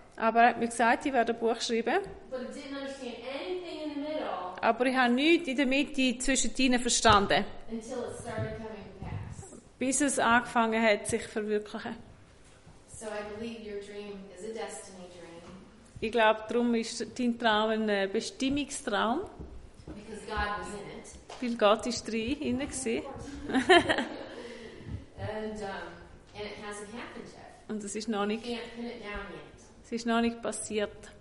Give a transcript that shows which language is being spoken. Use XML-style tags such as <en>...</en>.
<de>Aber er hat mir gesagt, ich werde ein Buch schreiben.</de> <en>But it didn't understand anything in the middle.</en> <de>Aber ich habe nichts in der Mitte zwischen denen verstanden.</de> <en>Until it started coming.</en> <de>Bis es angefangen hat, sich zu verwirklichen.</de> <en>So I believe your dream is a destiny dream.</en> <de>Ich glaube, darum ist dein Traum ein Bestimmungstraum.</de> <en>Because God was in it.</en> <de>Weil Gott ist drin, innen gewesen.</de> <en>And it hasn't happened yet.</en> <de>Und es ist noch nicht.</de> <en>You can't pin it down yet.</en> <de>Es ist noch nicht passiert.</de>